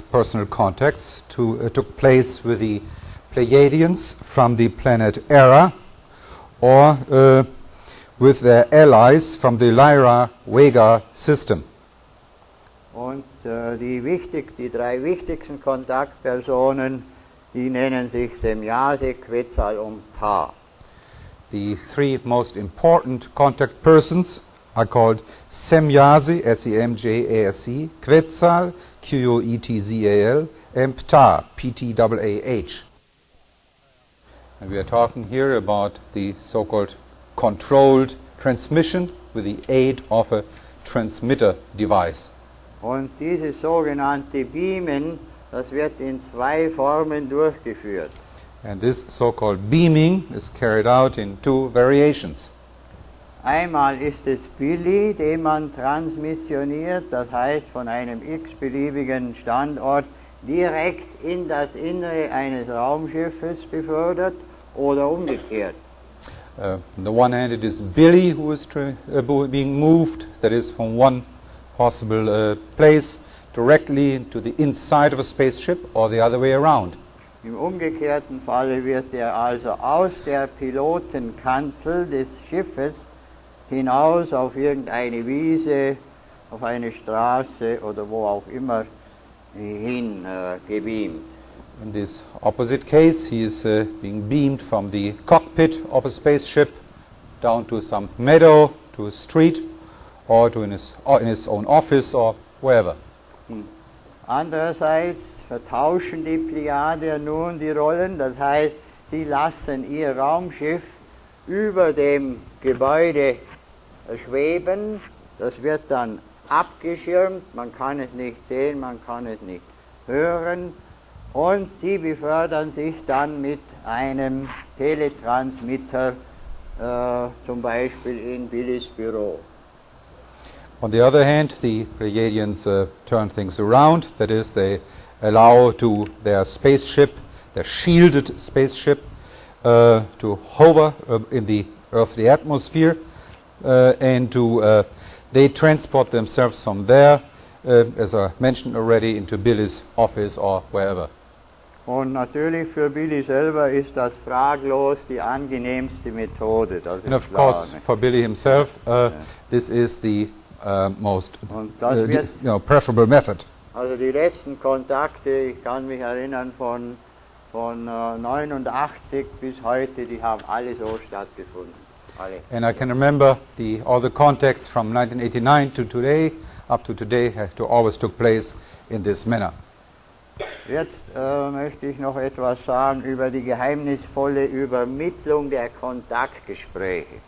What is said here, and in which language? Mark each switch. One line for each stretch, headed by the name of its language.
English: Most of these personal contacts took place with the Plejadians from the planet Era or with their allies from the Lyra-Vega system.
German: Und die drei wichtigsten Kontaktpersonen, die nennen sich Semyase, Quetzal und Ptah.
English: The three most important contact persons are called Semyase, S-E-M-J-A-S-E, Quetzal, Q-U-E-T-Z-A-L, and Ptah, P-T-A-A-H. And we are talking here about the so-called controlled transmission with the aid of a transmitter device.
German: Und dieses sogenannte Beamen, das wird in zwei Formen durchgeführt.
English: And this so-called beaming is carried out in two variations.
German: Einmal ist es Billy, den man transmissioniert, das heißt von einem x-beliebigen Standort direkt in das Innere eines Raumschiffes befördert oder umgekehrt.
English: On the one hand it is Billy who is being moved, that is from one possible place directly into the inside of a spaceship or the other way around.
German: Im umgekehrten Falle wird er also aus der Pilotenkanzel des Schiffes hinaus auf irgendeine Wiese, auf eine Straße oder wo auch immer hin gebeamt.
English: In this opposite case, he is being beamed from the cockpit of a spaceship down to some meadow, to a street, or to in his own office or wherever.
German: Andererseits vertauschen die Plejadier nun die Rollen, das heißt, sie lassen ihr Raumschiff über dem Gebäude schweben. Das wird dann abgeschirmt, man kann es nicht sehen, man kann es nicht hören. Und sie befördern sich dann mit einem Teletransmitter, zum Beispiel in Billys Büro.
English: On the other hand, the Pleiadians turn things around, that is, they allow to their spaceship, their shielded spaceship, to hover in the earthly atmosphere, and to they transport themselves from there, as I mentioned already, into Billy's office or wherever.
German: Und natürlich für Billy selber ist das fraglos die angenehmste Methode. Das
English: and of course, for Billy himself, this is the most preferable method.
German: Also die letzten Kontakte, ich kann mich erinnern von 89 bis heute, die haben alle so stattgefunden. Alle.
English: And I can remember all the contacts from 1989 to today, up to today, to always took place in this manner.
German: Jetzt möchte ich noch etwas sagen über die geheimnisvolle Übermittlung der Kontaktgespräche.